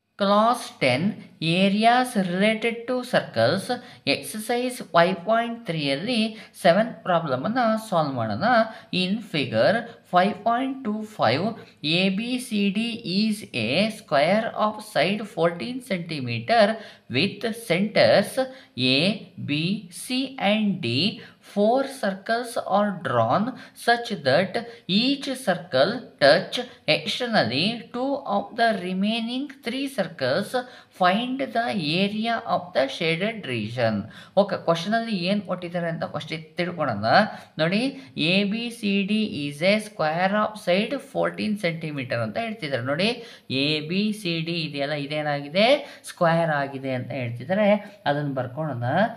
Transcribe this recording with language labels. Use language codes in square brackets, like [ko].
[en] Clause 10, Areas Related to Circles, Exercise 5.3 ಅಲ್ಲಿ 7th problem [kn] ಅನ್ನು solve ಮಾಡೋಣ. [en] In figure 5.25 A B C D is a square of side 14 centimetre with centres A B C and D. Four circles are drawn such that each circle touch externally two of the remaining three circles. Find the area of the shaded region. [kn] Okay, question ಅಲ್ಲಿ ಏನ್ ಕೊಟ್ಟಿದ್ದಾರೆ ಅಂತ first ತಿಳ್ಕೊಳೋಣ ನೋಡಿ. [en] A B C D is a square of side 14 centimetre [kn] ಅಂತ ಹೇಳ್ತಿದ್ದಾರೆ ನೋಡಿ. A B C D ಇದೆಯಲ್ಲ, ಇದೇನಾಗಿದೆ, square ಆಗಿದೆ ಅಂತ ಹೇಳ್ತಿದ್ದಾರೆ. ಅದನ್ನ ಬರ್ಕೊಳೋಣ.